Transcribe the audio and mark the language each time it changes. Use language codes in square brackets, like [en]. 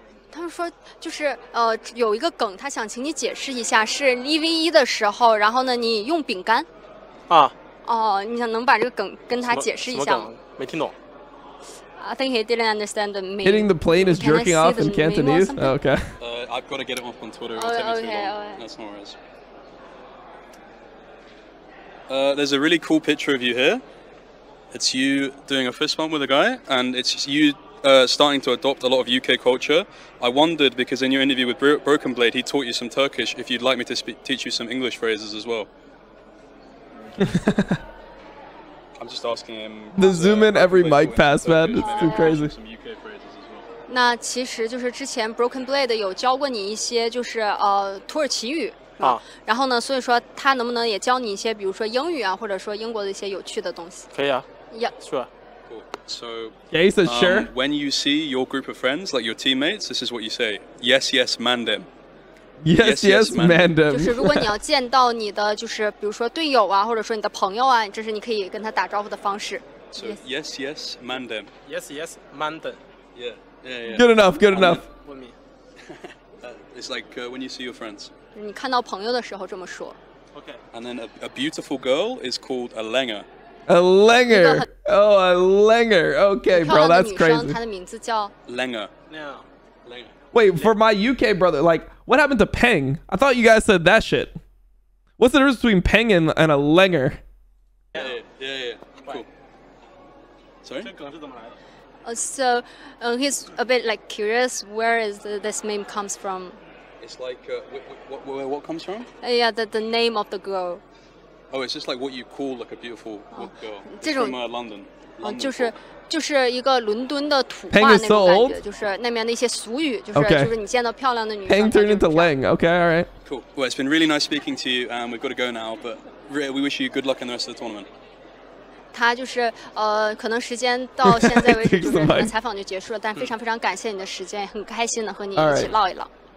[zh] 他们说就是有一个梗，他想请你解释一下，是 EVE 的时候，然后呢你用饼干。啊。哦，你想能把这个梗跟他解释一下吗？没听懂。 [en] I think he didn't understand the meme. Hitting the plane is jerking off in Cantonese. Okay. I've got to get it up on Twitter. Okay. That's no worries. There's a really cool picture of you here. It's you doing a fist bump with a guy, and it's you starting to adopt a lot of UK culture. I wondered, because in your interview with Broken Blade, he taught you some Turkish, if you'd like me to teach you some English phrases as well. I'm just asking him. The zoom in every mic pass, man. Turkish, it's too crazy. Some UK phrases as well. [zh] 那其实就是之前 Broken Blade 有教过你一些就是土耳其语。啊，然后呢？所以说他能不能也教你一些，比如说英语啊，或者说英国的一些有趣的东西？可以啊。 [en] Yeah. Sure. Cool. So. Yeah, he says sure. When you see your group of friends, like your teammates, this is what you say: Yes, yes, mandem. Yes, yes, mandem. [zh] 就是如果你要见到你的，就是比如说队友啊，或者说你的朋友啊，这是你可以跟他打招呼的方式。 [en] So yes, yes, mandem. Yes, yes, mandem. Good enough, good enough. With me. It's like when you see your friends. [zh] 你看到朋友的时候这么说。 [en] Okay. And then a beautiful girl is called a langer. A langer. Oh, a langer. Okay, bro, that's crazy. Langer. Wait, for my UK brother, like, what happened to peng? I thought you guys said that shit. What's the difference between peng and a langer? Yeah. Cool. Sorry? So he's a bit like curious, where is this meme comes from? It's like, what comes from? Yeah, the name of the girl. Oh, it's just like what you call like a beautiful girl. From London. [zh] Oh, 就是一个伦敦的土话, [en] Peng is so old? [zh] 就是那边的一些俗语, [en] okay. [zh] 就是你见到漂亮的女生, [en] Peng turned into Lang. Okay, all right. Cool. Well, it's been really nice speaking to you, and we've got to go now, but we wish you good luck in the rest of the tournament. [zh] 他就是可能时间到现在为止采访就结束了, 但非常非常感谢你的时间, 很开心的和你一起唠一唠。